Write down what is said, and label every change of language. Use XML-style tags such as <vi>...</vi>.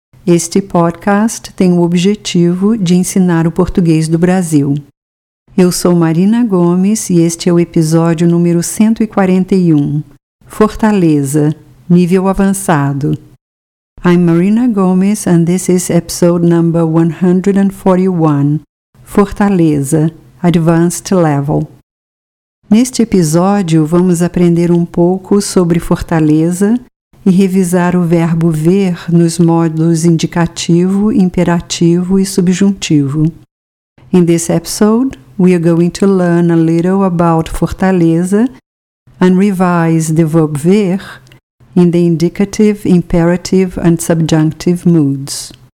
<pt>Este podcast tem o objetivo de ensinar o português do Brasil. Eu sou Marina Gomes e este é o episódio número 141. Fortaleza, nível avançado.</pt> <en>I'm Marina Gomes and this is episode number 141. Fortaleza, Advanced Level.</en> <pt>Neste episódio, vamos aprender um pouco sobre fortaleza e revisar o verbo ver nos modos indicativo, imperativo e subjuntivo.</pt> <en>In this episode, we are going to learn a little about fortaleza and revise the verb ver in the indicative, imperative and subjunctive moods.</en>